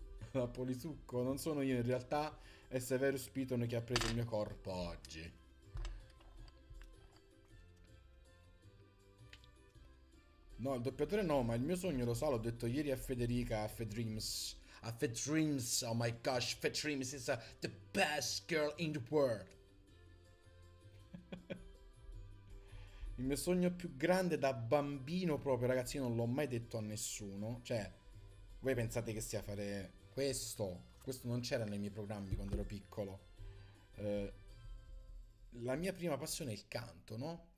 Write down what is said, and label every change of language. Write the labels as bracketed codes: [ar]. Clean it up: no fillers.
[it] La polisucco, non sono io, in realtà è Severus Piton che ha preso il mio corpo oggi. No, il doppiatore no, ma il mio sogno lo sa, l'ho detto ieri a Federica, a FedDreams. [en] A FedDreams, oh my gosh, FedDreams is the best girl in the world. [it] Il mio sogno più grande da bambino proprio, ragazzi, io non l'ho mai detto a nessuno. Cioè, voi pensate che sia fare questo? Questo non c'era nei miei programmi quando ero piccolo. La mia prima passione è il canto, no?